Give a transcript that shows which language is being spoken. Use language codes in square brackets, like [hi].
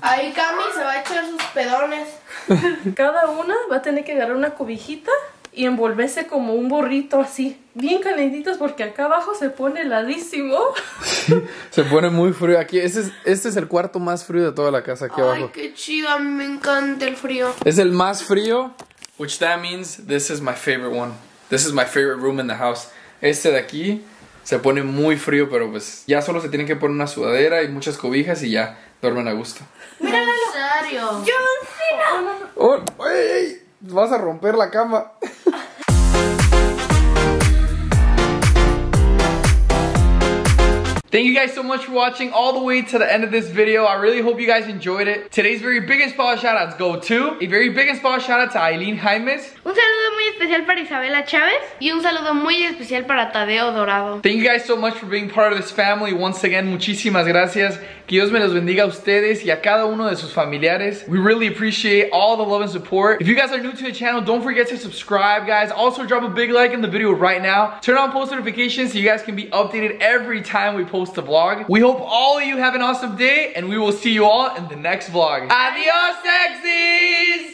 [es] Ahí Cami se va a echar sus pedones. Cada una va a tener que agarrar una cobijita y envolverse como un burrito así. Bien calentitos porque acá abajo se pone heladísimo. Sí, se pone muy frío aquí. Este es el cuarto más frío de toda la casa aquí abajo. Ay, qué chido. Me encanta el frío. Es el más frío. [en] Which that means this is my favorite one. This is my favorite room in the house. [es] Este de aquí se pone muy frío, pero pues ya solo se tienen que poner una sudadera y muchas cobijas y ya duermen a gusto. ¡Mira, Lalo! ¡John Cena! ¡Ey! ¡Vas a romper la cama! Ah. [en] Thank you guys so much for watching all the way to the end of this video. I really hope you guys enjoyed it. Today's very big and special shout outs go to a very big and special shout out to Aileen Jaimes. [es] Un saludo muy especial para Isabela Chavez. Y un saludo muy especial para Tadeo Dorado. [en] Thank you guys so much for being part of this family once again. [es] Muchísimas gracias. Que Dios me los bendiga a ustedes y a cada uno de sus familiares. [en] We really appreciate all the love and support. If you guys are new to the channel, don't forget to subscribe, guys. Also, drop a big like in the video right now. Turn on post notifications so you guys can be updated every time we post a vlog. We hope all of you have an awesome day, and we will see you all in the next vlog. Adios, sexies!